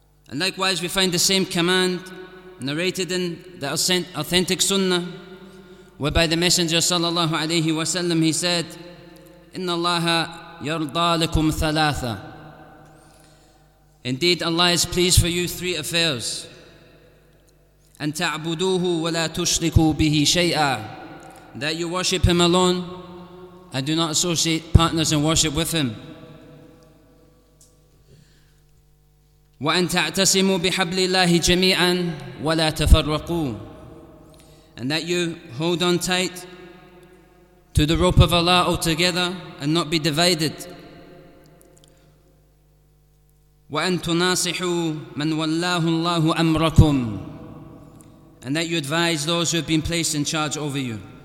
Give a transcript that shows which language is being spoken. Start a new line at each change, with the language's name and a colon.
English: And likewise, we find the same command narrated in the authentic Sunnah, whereby the Messenger sallallahu alayhi wa sallam, he said,
Arabic: Inna Allaha yarda lakum thalatha.
English: Indeed, Allah is pleased for you three affairs.
Arabic: أن تعبدوه ولا تشركوا به شيئا.
English: That you worship Him alone and do not associate partners in worship with Him.
Arabic: وأن تعتصموا بحبل الله جميعا ولا تفرقوا.
English: And that you hold on tight to the rope of Allah altogether and not be divided.
Arabic: وَأَن تُنَاصِحُوا مَنْ وَلَّاهُ اللَّهُ أَمْرَكُمْ.
English: And that you advise those who have been placed in charge over you.